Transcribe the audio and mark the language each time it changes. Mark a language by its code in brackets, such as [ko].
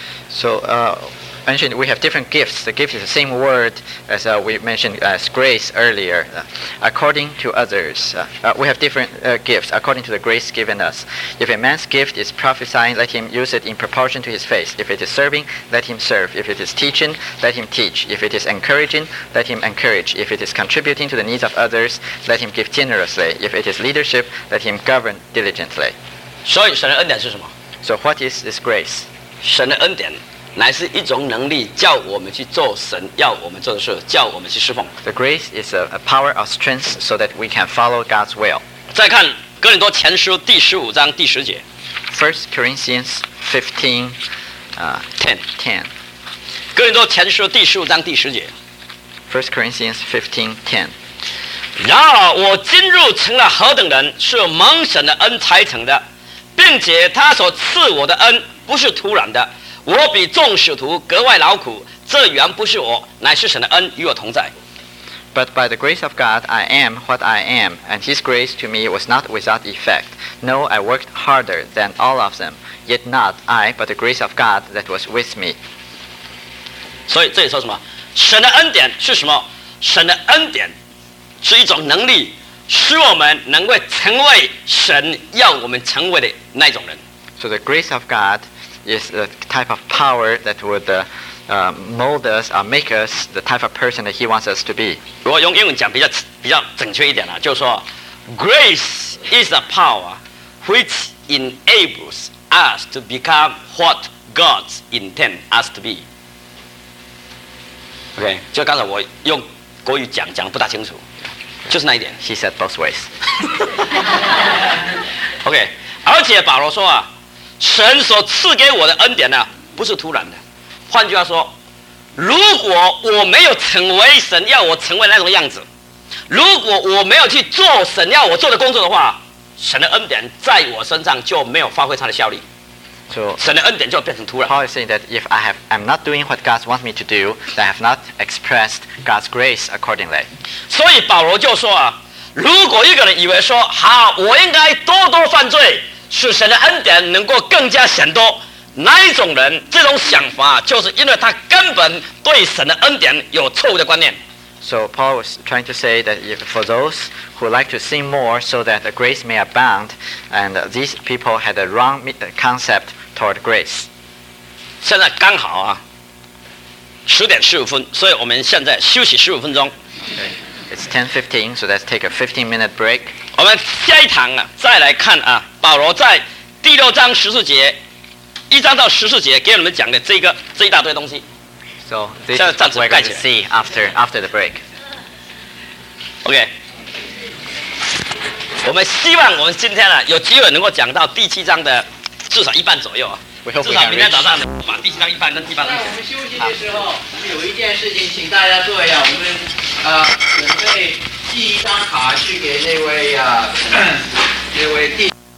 [en] So mentioned we have different gifts the gift is the same word as we mentioned as grace earlier according to others we have different gifts according to the grace given us if a man's gift is prophesying let him use it in proportion to his faith if it is serving let him serve if it is teaching let him teach if it is encouraging let him encourage if it is contributing to the needs of others let him give generously if it is leadership let him govern diligently [zh] so 神的恩典是什么 [en] so what is this grace [zh] 神的恩典乃是一种能力，叫我们去做神要我们做的事，叫我们去侍奉。 [en] The grace is a power of strength so that we can follow God's will. [zh] 再看哥林多前书第十五章第十节。 [en] First Corinthians 15, 10. [zh] 哥林多前书第十五章第十节。 [en] First Corinthians 15:10. [zh] 然而我今日成了何等人，是蒙神的恩才成的，并且他所赐我的恩不是突然的。我比众使徒格外劳苦，这原不是我，乃是神的恩与我同在。 [en] But by the grace of God, I am what I am, and His grace to me was not without effect. No, I worked harder than all of them, yet not I, but the grace of God that was with me. [zh] 所以这里说什么？神的恩典是什么？神的恩典是一种能力，使我们能够成为神要我们成为的那种人。 [en] So the grace of God is the type of power that would mold us or make us the type of person that He wants us to be. [zh] 如果用英文讲比较准确一点呢，就是说 [en] ，grace is the power which enables us to become what God intends us to be. [zh] OK， 就刚才我用国语讲不大清楚，就是那一点。 [en] He said both ways. [zh] OK， 而且保罗说啊，神所赐给我的恩典呢，不是突然的。换句话说，如果我没有成为神要我成为那种样子，如果我没有去做神要我做的工作的话，神的恩典在我身上就没有发挥它的效力。 [en] So, Paul is saying that if I'm not doing what God wants me to do, then I have not expressed God's grace accordingly. [zh] 所以保罗就说啊，如果一个人以为说，好，我应该多多犯罪，使神的恩典能够更加显多，那一种人，这种想法就是因为他根本对神的恩典有错误的观念。 [en] So Paul was trying to say that if for those who like to sin more so that the grace may abound, and these people had a wrong concept toward grace. [zh] 现在刚好啊，十点十五分，所以我们现在休息十五分钟。 [en] Okay. It's 10:15, so let's take a 15-minute break. [zh] 我们下一堂啊，再来看啊，保罗在第六章十四节，一章到十四节给我们讲的这一大堆东西。 [en] So this is what we're going to see after the break. OK. [zh] 我们希望我们今天呢有机会能够讲到第七章的至少一半左右啊。至少明天早上把第七章一半跟第八章。在我们休息的时候，有一件事情请大家做一下，我们准备寄一张卡去给那位啊，那位弟。